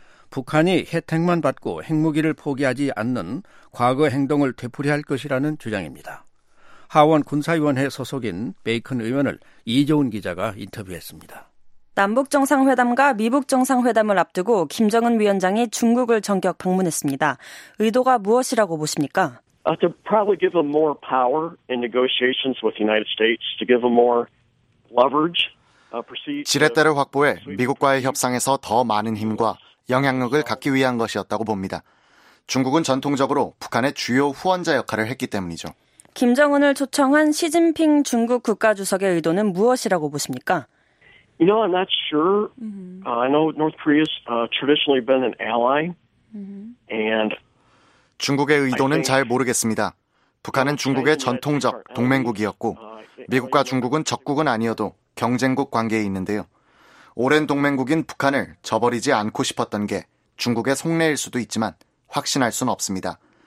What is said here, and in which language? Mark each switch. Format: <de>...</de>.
<ko>북한이 혜택만 받고 핵무기를 포기하지 않는 과거 행동을 되풀이할 것이라는 주장입니다. 하원 군사위원회 소속인 베이컨 의원을 이조은 기자가 인터뷰했습니다. 남북정상회담과 미북정상회담을 앞두고 김정은 위원장이 중국을 전격 방문했습니다. 의도가 무엇이라고 보십니까?</ko> <en>To probably give them more power in negotiations with the United States, to give them more leverage.</en> <ko>지렛대를 확보해 미국과의 협상에서 더 많은 힘과 영향력을 갖기 위한 것이었다고 봅니다. 중국은 전통적으로 북한의 주요 후원자 역할을 했기 때문이죠. 김정은을 초청한 시진핑 중국 국가주석의 의도는 무엇이라고 보십니까?</ko> <en>You know, I'm not sure. I know North Korea's traditionally been an ally. And</en> <ko>중국의 의도는 잘 모르겠습니다. 북한은 중국의 전통적 동맹국이었고 미국과 중국은 적국은 아니어도 경쟁국 관계에 있는데요. 오랜 동맹국인 북한을 저버리지 않고 싶었던 게 중국의 속내일 수도 있지만 확신할 순 없습니다.</ko>